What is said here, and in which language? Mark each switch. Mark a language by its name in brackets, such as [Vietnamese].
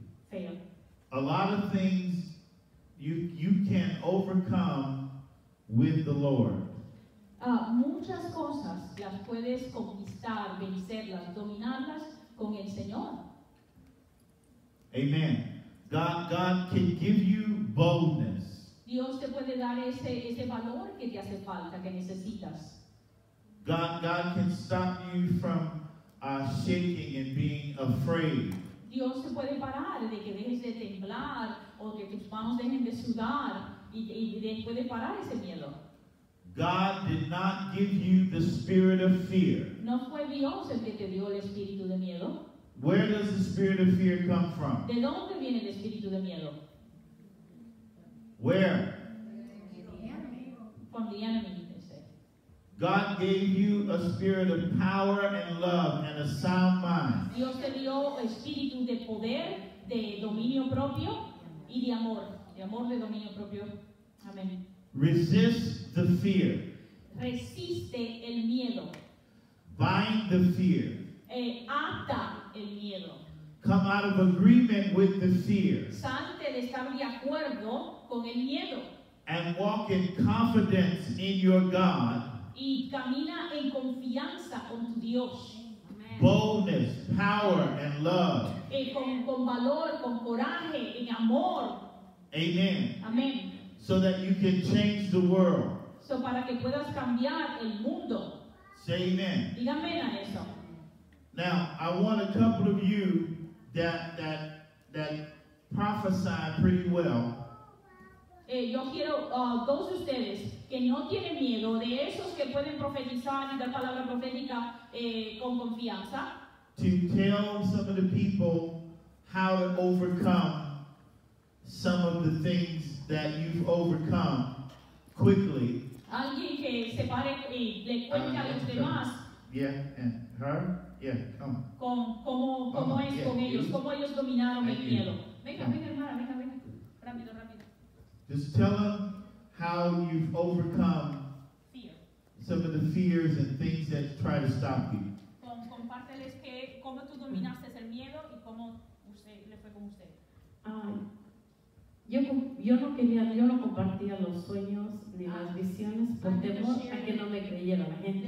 [English] fail. A lot of things you can overcome with the Lord. [Spanish] Muchas cosas las puedes conquistar, vencerlas, dominarlas con el Señor. [English] Amen. God can give you boldness. [Spanish] Dios te puede dar ese valor que te hace falta, que necesitas. [English] God can stop you from shaking and being afraid. [Spanish] Dios te puede parar de que dejes de temblar o que tus manos dejen de sudar y de puede parar ese miedo. [English] God did not give you the spirit of fear. [Spanish] No fue Dios el que te dio el espíritu de miedo. [English] Where does the spirit of fear come from? [Spanish] ¿De dónde viene el espíritu de miedo? [English] Where? From the enemy. God gave you a spirit of power and love and a sound mind. [Spanish] Dios te dio espíritu de poder, de dominio propio y de amor. De amor, de dominio propio. Amén. [English] Resist the fear. [Spanish] Resiste el miedo. [English] Bind the fear. [Spanish] Ata el miedo. [English] Come out of agreement with the fear. [Spanish] Salte de estar de acuerdo con el miedo. [English] And walk in confidence in your God. [Spanish] Y camina en confianza con tu Dios. [English] Amen. Boldness, power, and love. [Spanish] Y con valor, con coraje, en amor. [English] Amen. Amen. So that you can change the world. [Spanish] So para que puedas cambiar el mundo. [English] Say amen. [Spanish] Dígame a eso. [English] Now, I want a couple of you that prophesy pretty well. [Spanish] Yo quiero dos de ustedes que no tienen miedo, de esos que pueden profetizar y dar palabra profética con confianza. [English] To tell some of the people how to overcome some of the things that you've overcome quickly. [Spanish] Alguien que se pare y le cuente a los demás. [English] Yeah, and her? Yeah, come. [Spanish] ¿Cómo es con ellos? ¿Cómo ellos dominaron el miedo? Venga, hermana, venga. Rápido, rápido. [English] Just tell them how you've overcome fear. Some of the fears and things that try to stop you. [Spanish] Compárteles que cómo tú dominaste el miedo y cómo usted le fue con usted. Yo no compartía los sueños ni las visiones por temor a que no me creyera la gente.